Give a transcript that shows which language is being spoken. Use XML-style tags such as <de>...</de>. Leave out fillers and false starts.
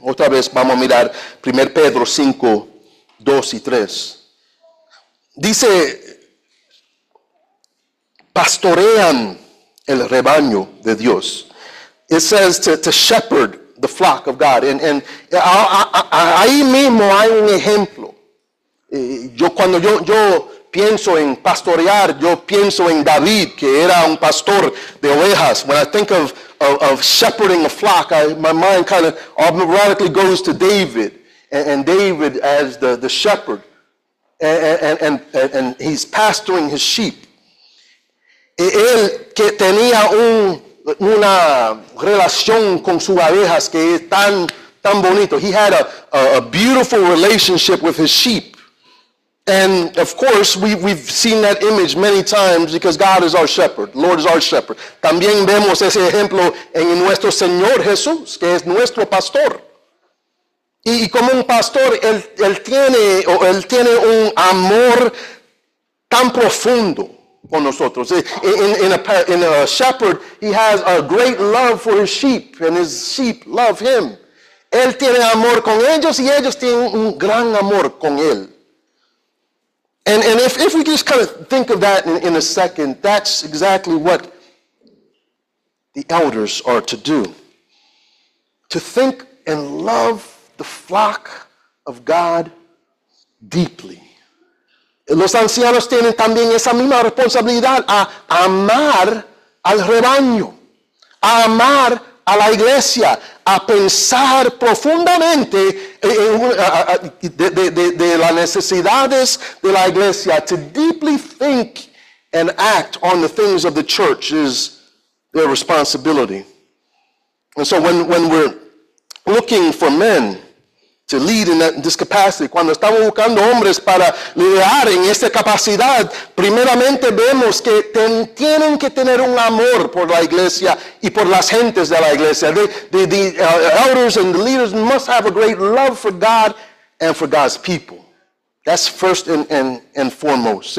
<es>Otra vez vamos a mirar 1 Pedro 5, 2 y 3. Dice, pastorean el rebaño de Dios.</es> <en>It says to shepherd the flock of God.</en> <es>And ahí mismo hay un ejemplo. Cuando yo pienso en pastorear, yo pienso en David, que era un pastor de ovejas.</es> <en>When I think of shepherding a flock, my mind kind of automatically goes to David, and David as the shepherd, and he's pastoring his sheep.</en> <es>Él que tenía una relación con sus ovejas que es tan bonito.</es> <en>He had a beautiful relationship with his sheep. And of course, we've seen that image many times because God is our shepherd. The Lord is our shepherd.</en> <es>También vemos ese ejemplo en nuestro Señor Jesús, que es nuestro pastor. Y como un pastor, él tiene un amor tan profundo con nosotros.</es> <en>In a shepherd, he has a great love for his sheep, and his sheep love him.</en> <es>Él tiene amor con ellos y ellos tienen un gran amor con él.</es> <en>And if we just kind of think of that in a second, that's exactly what the elders are to do. To think and love the flock of God deeply.</en> <es>Los ancianos tienen también esa misma responsabilidad a amar al rebaño, a amar a la iglesia, a pensar profundamente de las necesidades de la iglesia,</es> <en>to deeply think and act on the things of the church is their responsibility. And so when we're looking for men to lead in this capacity,</en> <es>cuando estamos buscando hombres para liderar en esta capacidad, primeramente vemos que tienen que tener un amor por la iglesia y por las gentes de la iglesia.</es> <en>The elders and the leaders must have a great love for God and for God's people. That's first and foremost.</en>